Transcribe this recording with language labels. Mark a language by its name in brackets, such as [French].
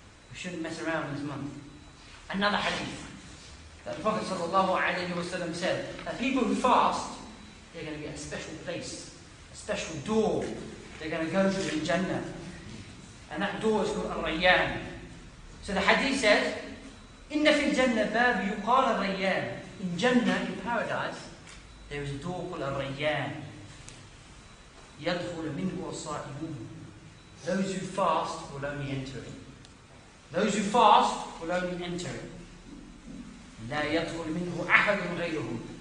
[English] We shouldn't mess around this month. Another hadith that the Prophet sallallahu alayhi wa sallam said, that people who fast, they're going to get a special place, a special door they're going to go through in Jannah. And that door is called Ar-Rayyan. So the hadith says, [Arabic] إِنَّ فِي الْجَنَّةِ بَابِ يُقَالَ الرَّيَّانِ. [English] In Jannah, in paradise, there is a door called Ar-Rayyan. [Arabic] يَدْخُلَ مِنْهُ الصَّائِمُونَ. [English] Those who fast will only enter it. Those who fast will only enter it. [Arabic] لَا يَدْخُلَ مِنْهُ أَحَدٌ غَيْرُهُمْ.